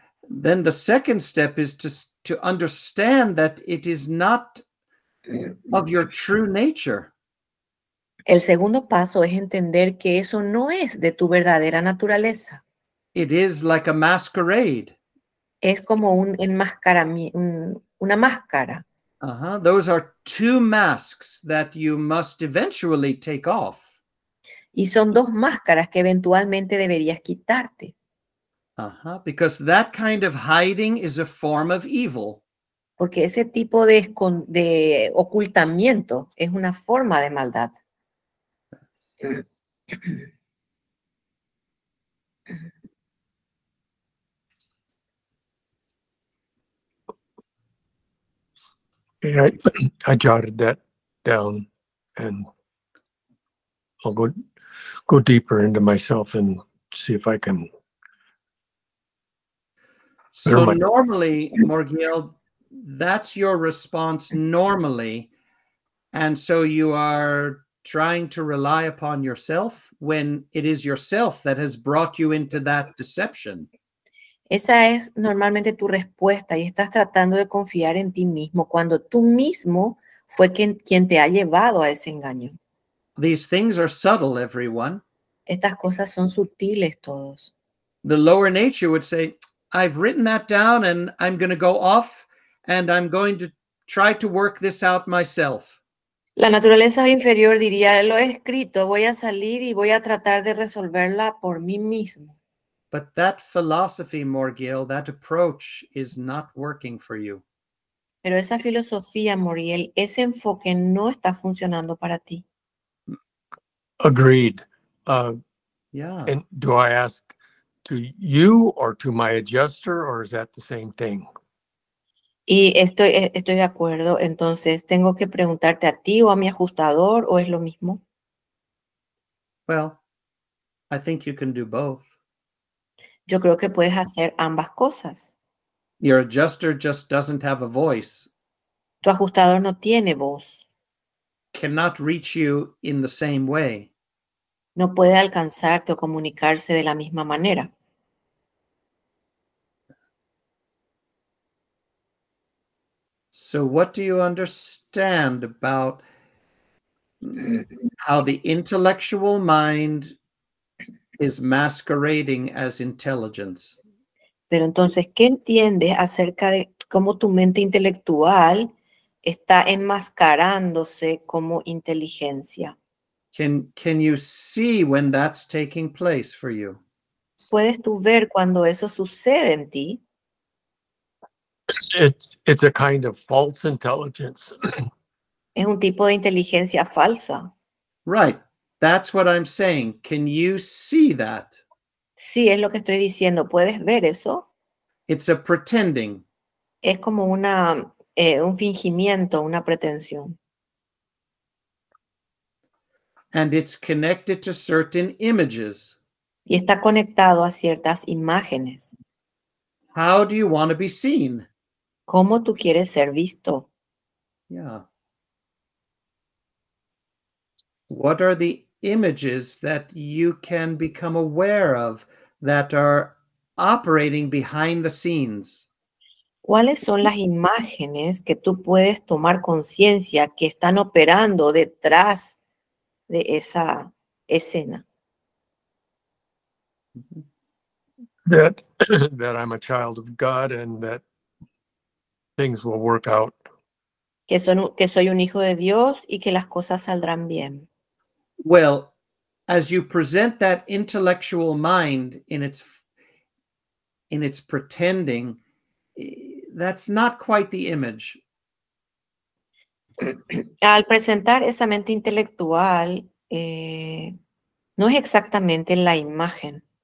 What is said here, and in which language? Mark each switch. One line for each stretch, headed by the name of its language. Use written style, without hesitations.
English: Then the second step is to understand that it is not of your true nature.
Spanish: El segundo paso es entender que eso no es de tu verdadera naturaleza.
English: It is like a masquerade.
Spanish: Es como una máscara. Uh-huh.
English: Those are two masks that you must eventually take off.
Spanish: Y son dos máscaras que eventualmente deberías quitarte. Uh-huh.
English: Because that kind of hiding is a form of evil.
Spanish: Porque ese tipo de ocultamiento es una forma de maldad.
English: I jotted that down and I'll go deeper into myself and see if I can. So normally, Morgiel, that's your response normally. And so you are trying to rely upon yourself when it is yourself that has brought you into that deception.
Spanish: Esa es normalmente tu respuesta y estás tratando de confiar en ti mismo cuando tú mismo fue quien te ha llevado a ese engaño.
English: These things are subtle, everyone.
Spanish: Estas cosas son sutiles todos.
English: The lower nature would say, I've written that down and I'm going to go off and I'm going to try to work this out myself.
Spanish: La naturaleza inferior diría, lo he escrito, voy a salir y voy a tratar de resolverla por mí mismo.
English: But that philosophy, Morgiel, that approach is not working for you.
Spanish: Pero esa filosofía, Morgiel, ese enfoque no está funcionando para ti.
English: Agreed. Yeah. And do I ask to you or to my adjuster, or is that the same thing?
Spanish: Y estoy de acuerdo. Entonces, ¿tengo que preguntarte a ti o a mi ajustador, o es lo mismo?
English: Well, I think you can do both.
Spanish: Yo creo que puedes hacer ambas cosas.
English: Your adjuster just doesn't have a voice.
Spanish: Tu ajustador no tiene voz.
English: Cannot reach you in the same way.
Spanish: No puede alcanzarte o comunicarse de la misma manera.
English: So what do you understand about how the intellectual mind is masquerading as intelligence?
Spanish: Pero entonces, ¿qué entiendes acerca de cómo tu mente intelectual está enmascarándose como inteligencia?
English: Can you see when that's taking place for you?
Spanish: ¿Puedes tú ver cuando eso sucede en ti?
English: It's a kind of false intelligence.
Spanish: Es un tipo de inteligencia falsa.
English: Right. That's what I'm saying. Can you see that?
Spanish: Sí, es lo que estoy diciendo. ¿Puedes ver eso?
English: It's a pretending.
Spanish: Es como una un fingimiento, una pretensión.
English: And it's connected to certain images.
Spanish: Y está conectado a ciertas imágenes.
English: How do you want to be seen?
Spanish: ¿Cómo tú quieres ser visto? Yeah.
English: What are the images that you can become aware of that are operating behind the scenes?
Spanish: ¿Cuáles son las imágenes que tú puedes tomar conciencia que están operando detrás de esa escena?
English: That I'm a child of God and that things will work out.
Spanish: Que soy un hijo de Dios y que las cosas saldrán bien.
English: Well, as you present that intellectual mind in its pretending, that's not quite the image.
Spanish: Al presentar esa mente intelectual, no es exactamente la imagen.